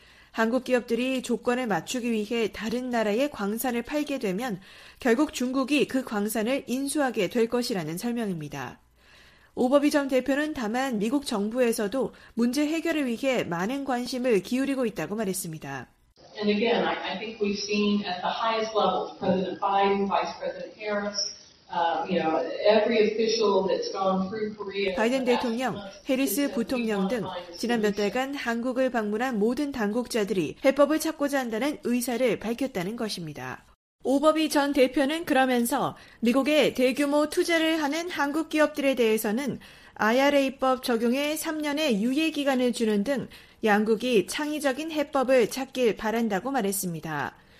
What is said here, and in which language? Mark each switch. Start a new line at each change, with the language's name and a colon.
Korean: 한국 기업들이 조건을 맞추기 위해 다른 나라의 광산을 팔게 되면 결국 중국이 그 광산을 인수하게 될 것이라는 설명입니다. 오버비 전 대표는 다만 미국 정부에서도 문제 해결을 위해 많은 관심을 기울이고 있다고 말했습니다.
English: And again, I think we've seen at the highest level, President Biden, Vice President Harris, every official that's gone through Korea.
Korean: 바이든 대통령, 해리스 부통령 등 지난 몇 달간 한국을 방문한 모든 당국자들이 해법을 찾고자 한다는 의사를 밝혔다는 것입니다. 오버비 전 대표는 그러면서 미국에 대규모 투자를 하는 한국 기업들에 대해서는 IRA법 적용에 3년의 유예기간을 주는 등 양국이 창의적인 해법을 찾길 바란다고 말했습니다.